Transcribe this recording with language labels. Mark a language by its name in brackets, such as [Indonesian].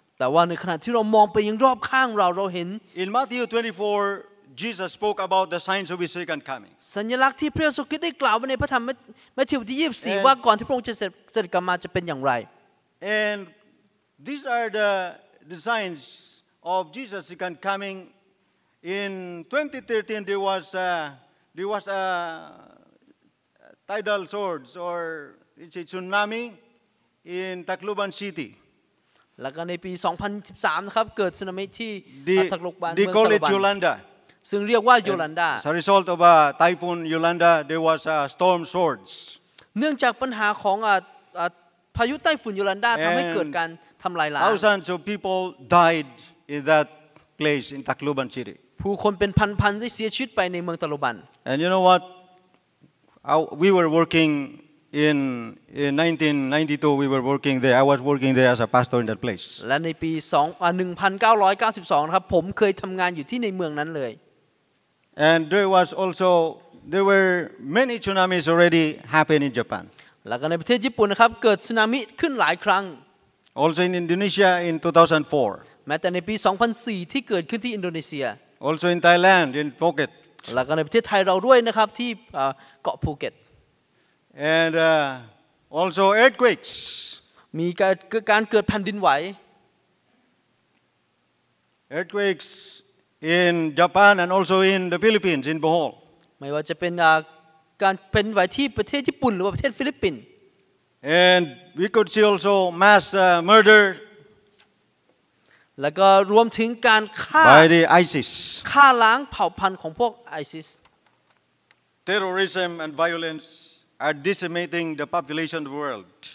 [Thai] แต่ว่าในขณะที่เรามองไปยังรอบข้างเราเราเห็น [English] In Matthew 24. Jesus spoke about the signs of his second coming. [Thai] สัญลักษณ์ที่พระเยซูคริสต์ได้กล่าวไว้ในพระธรรมมัทธิวที่24ว่าก่อนที่พระองค์จะเสด็จกลับมาจะเป็นอย่างไร [English] And these are the signs of Jesus second coming in 2013 there was a tidal swords or it's a tsunami in Tacloban city. [Thai] แล้วก็ในปี2013นะครับเกิดสึนามิที่ ตากลบัน เมืองซาลาบัน ซึ่งเรียกว่ายูลันดา สาเหตุของไต้ฝุ่นยูลันดา [English] there was a storm swords [Thai] เนื่องจากปัญหาของพายุไต้ฝุ่นยูลันดาทำให้เกิดการทำลายล้าง [English] thousands of people died in that place in Tacloban city [Thai] ผู้คนเป็นพันๆที่เสียชีวิตไปในเมืองตาลุบัน [English] and you know what we were working in 1992 we were working there I was working there as a pastor in that place [Thai] และในปี1992นะครับผมเคยทำงานอยู่ที่ในเมืองนั้นเลย [English] And there were many tsunamis already happened in Japan. [Thai] แล้วก็ในประเทศญี่ปุ่นนะครับเกิดสึนามิขึ้นหลายครั้ง [English] Also in Indonesia in 2004. [Thai] แม้แต่ในปี2004ที่เกิดขึ้นที่อินโดนีเซีย [English] Also in Thailand in Phuket. [Thai] แล้วก็ในประเทศไทยเราด้วยนะครับที่เกาะภูเก็ต [English] And also earthquakes. [Thai] มีการเกิดแผ่นดินไหว [English] Earthquakes. In Japan and also in the Philippines, in Bohol. [Thai] ไม่ว่าจะเป็นการเป็นไหวที่ประเทศญี่ปุ่นหรือประเทศฟิลิปปินส์ [English] And we could see also mass murder. [Thai] แล้วก็รวมถึงการฆ่า [English] By the ISIS. [Thai] ฆ่าล้างเผ่าพันธุ์ของพวก ISIS. [English] Terrorism and violence are decimating the population of the world.